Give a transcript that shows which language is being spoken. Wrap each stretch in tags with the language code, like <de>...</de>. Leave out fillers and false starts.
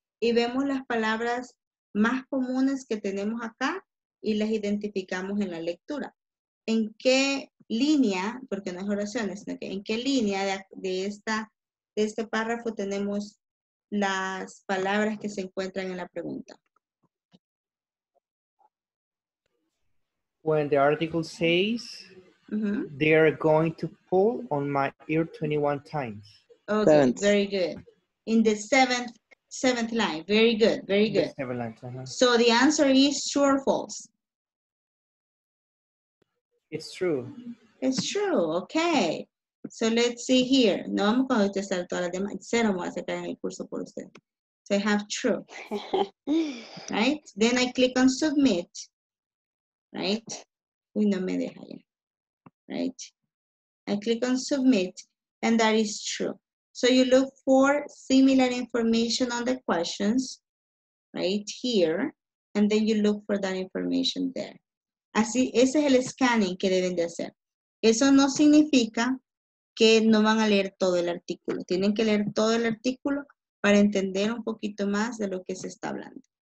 <es>Y vemos las palabras más comunes que tenemos acá y las identificamos en la lectura. ¿En qué línea, porque no es oraciones, sino que en qué línea de este párrafo tenemos las palabras que se encuentran en la pregunta?</es> <en>When the article says, mm-hmm, they are going to pull on my ear 21 times. Okay, seventh. Very good. In the seventh line. Very good, very good. The seventh line, uh-huh. So the answer is true or false? It's true. It's true, okay. So let's see here.</en> <es>No vamos a contestar todas las demás. Cero voy a sacar en el curso por usted.</es> <en>So I have true. Right? Then I click on submit. Right?</en> <es>Uy, no me deja ya.</es> <en>Right? I click on submit and that is true. So you look for similar information on the questions right here and then you look for that information there.</en> <es>Así, ese es el scanning que deben de hacer. Eso no significa que no van a leer todo el artículo. Tienen que leer todo el artículo para entender un poquito más de lo que se está hablando.</es>